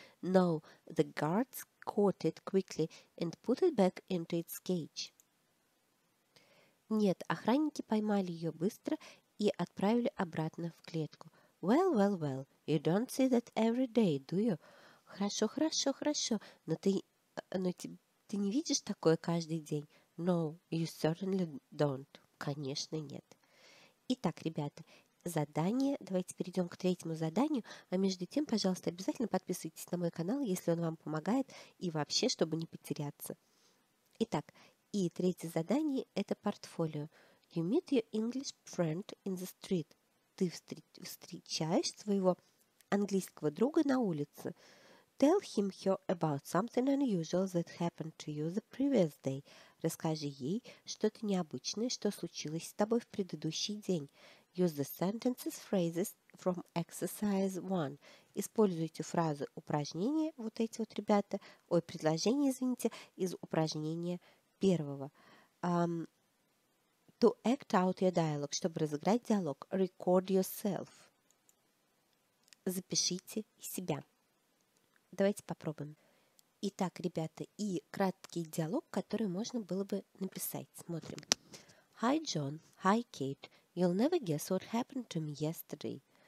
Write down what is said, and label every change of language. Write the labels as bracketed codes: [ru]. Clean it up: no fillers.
[en] No, the guards caught it quickly and put it back into its cage. [ru] Нет, охранники поймали ее быстро и отправили обратно в клетку. [en] Well, well, well, you don't see that every day, do you? [ru] Хорошо, хорошо, хорошо, но ты не видишь такое каждый день? [en] No, you certainly don't. [ru] Конечно, нет. Итак, ребята, задание. Давайте перейдем к третьему заданию. А между тем, пожалуйста, обязательно подписывайтесь на мой канал, если он вам помогает, и вообще, чтобы не потеряться. Итак, и третье задание – это портфолио. [en] You meet your English friend in the street. [ru] Ты встречаешь своего английского друга на улице. [en] Tell him her about something unusual that happened to you the previous day. [ru] Расскажи ей что-то необычное, что случилось с тобой в предыдущий день. [en] Use the sentences, phrases from exercise 1. [ru] Используйте фразы упражнения, вот эти вот, ребята, предложения, извините, из упражнения первого. [en] To act out your dialogue, [ru] чтобы разыграть диалог, [en] record yourself. [ru] Запишите себя. Давайте попробуем. Итак, ребята, и краткий диалог, который можно было бы написать. Смотрим. [en] Hi, John. Hi, Kate. You'll never guess what happened to me yesterday.